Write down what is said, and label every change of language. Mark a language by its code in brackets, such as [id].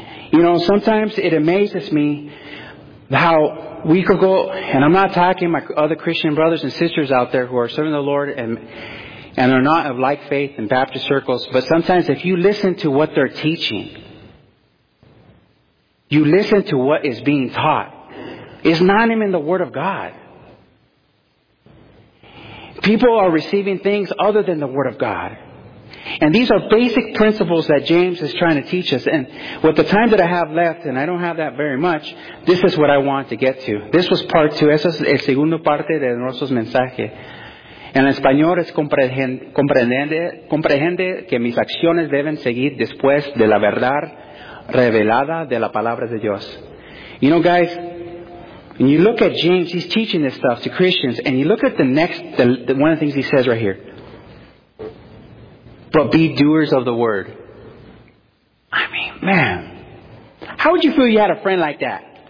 [en] You know, sometimes it amazes me how we could go, and I'm not attacking my other Christian brothers and sisters out there who are serving the Lord and are not of like faith in Baptist circles, but sometimes if you listen to what they're teaching, you listen to what is being taught, it's not even the Word of God. People are receiving things other than the Word of God. And these are basic principles that James is trying to teach us. And with the time that I have left, and I don't have that very much, this is what I want to get to. This was part two. [es] Eso es el segundo parte de nuestro mensaje. En español es comprende que mis acciones deben seguir después de la verdad revelada de la palabra de Dios. [en] You know, guys, when you look at James, he's teaching this stuff to Christians. And you look at the one of the things he says right here. But be doers of the word. I mean, man. How would you feel if you had a friend like that?